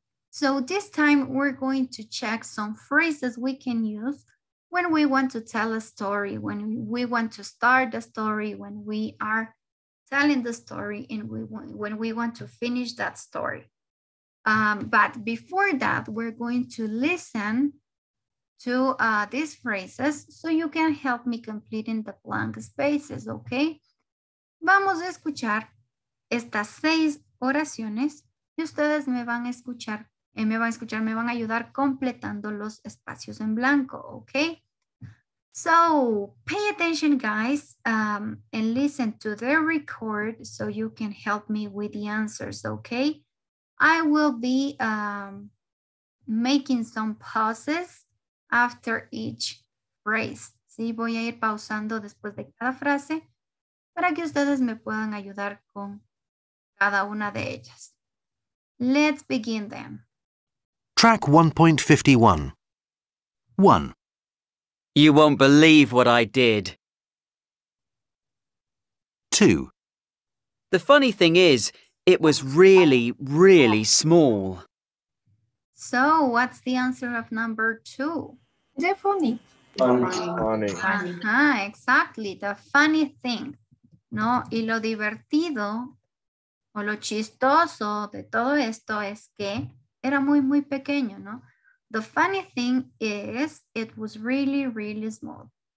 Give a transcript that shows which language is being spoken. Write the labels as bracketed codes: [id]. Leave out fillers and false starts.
[en] So this time we're going to check some phrases we can use when we want to tell a story, when we want to start the story, when we are telling the story, and when we want to finish that story. But before that, we're going to listen to these phrases so you can help me completing the blank spaces, okay? [es] Vamos a escuchar estas seis oraciones y ustedes me van a escuchar, me van a ayudar completando los espacios en blanco, okay? [en] So pay attention, guys, and listen to the record so you can help me with the answers, okay? I will be making some pauses after each phrase. [es] Sí, voy a ir pausando después de cada frase para que ustedes me puedan ayudar con cada una de ellas. [en] Let's begin then. Track 1.51. 1. You won't believe what I did. 2. The funny thing is, it was really, really small. So, what's the answer of number 2? Is it funny? Funny. Uh-huh, exactly, the funny thing. [es] No, y lo divertido o lo chistoso de todo esto es que era muy, muy pequeño, ¿no? [en] The funny thing is, it was really, really small.